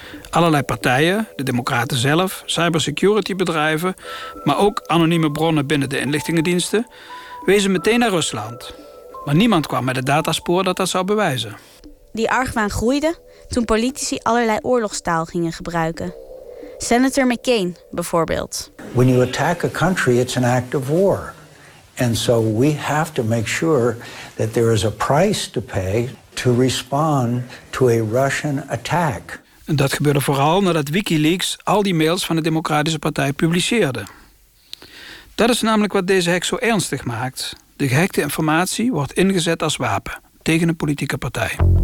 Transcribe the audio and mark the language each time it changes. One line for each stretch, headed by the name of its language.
Dutch: Allerlei partijen, de Democraten zelf, cybersecuritybedrijven, maar ook anonieme bronnen binnen de inlichtingendiensten, wezen meteen naar Rusland. Maar niemand kwam met het dataspoor dat dat zou bewijzen. Die argwaan groeide toen politici allerlei oorlogstaal gingen gebruiken. Senator McCain bijvoorbeeld.
English: When you attack a country, it's an act of war. And so we have to make sure that there is a price to pay to respond to a Russian attack.
Dutch: En dat gebeurde vooral nadat WikiLeaks al die mails van de Democratische Partij publiceerde. Dat is namelijk wat deze hack zo ernstig maakt. De gehackte informatie wordt ingezet als wapen tegen een politieke partij.